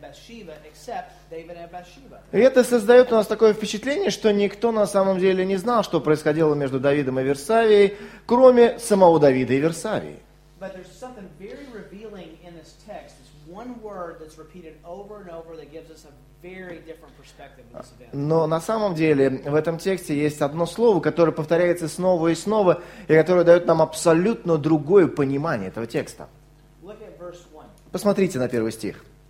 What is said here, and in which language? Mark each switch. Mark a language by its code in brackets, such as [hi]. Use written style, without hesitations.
[ru] И это создает у нас такое впечатление, что никто на самом деле не знал, что происходило между Давидом и Версавией, кроме самого Давида и Версавии. [en] But there's something very revealing in this text. It's one word that's repeated over and over that gives us a very different perspective of this event. [ru] Но на самом деле в этом тексте есть одно слово, которое повторяется снова и снова, и которое дает нам абсолютно другое понимание этого текста. [en] Look at verse 1. [ru] Посмотрите на первый стих.